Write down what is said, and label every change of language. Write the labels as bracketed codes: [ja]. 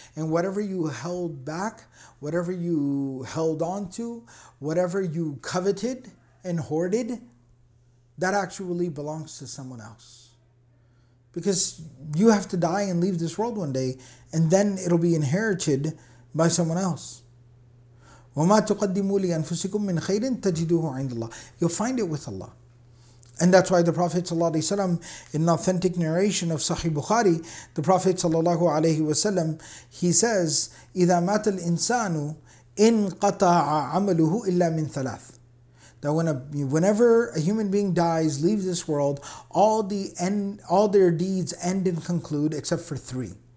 [en] And whatever you held back, whatever you held on to, whatever you coveted and hoarded, that actually belongs to someone else. Because you have to die and leave this world one day, and then it'll be inherited by someone else. [ar] وَمَا تُقَدِّمُوا لِأَنفُسِكُم مِّن خَيْرٍ تَجِدُوهُ عِنْدَ اللَّهِ [en] You'll find it with Allah. And that's why the Prophet ﷺ, in authentic narration of Sahih Bukhari, the Prophet ﷺ, he says, [ar] إِذَا مَاتَ الْإِنسَانُ إِن قَطَعَ عَمَلُهُ إِلَّا مِن ثَلَاثٍ [en] That whenever a human being dies, leaves this world, all their deeds end and conclude except for three.